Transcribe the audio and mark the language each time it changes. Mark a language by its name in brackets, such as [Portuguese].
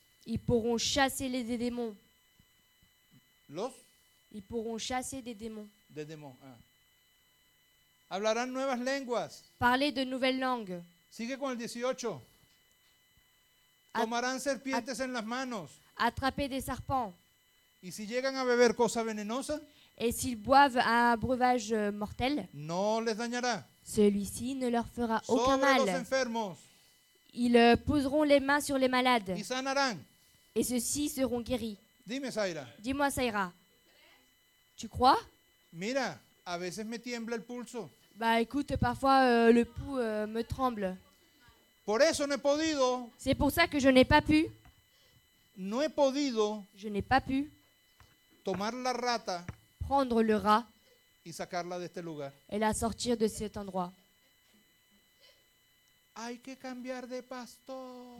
[French] Ils pourront chasser les démons. [Spanish] Los. [French] Ils pourront chasser des démons. Des démons. Ah. [Spanish] Hablarán nuevas lenguas. [French] Parler de nouvelles langues. [Spanish] Sigue con el 18. Tomarán serpientes en las manos. [French] Attraper des serpents. [Spanish] Y si llegan a beber cosa venenosa. [French] Et s'ils boivent un breuvage mortel, [Spanish] no les dañará. [French] Celui-ci ne leur fera aucun mal. Ils poseront les mains sur les malades. [Spanish] Y sanarán. [French] Et ceux-ci seront guéris. [Spanish] Dime, Zaira. [French] Dis-moi, Zaira. Tu crois? [Spanish] Mira, a veces me tiembla el pulso. [French] Bah écoute, parfois le pouls me tremble. [Spanish] Por eso no he podido. [French] C'est pour ça que je n'ai pas pu. [Spanish] No he podido. [French] Je n'ai pas pu. [Spanish] Tomar la rata. [French] Prendre le rat [Spanish] y sacarla de este lugar. [French] Et la sortir de cet endroit. [Spanish] Hay que cambiar de pastor.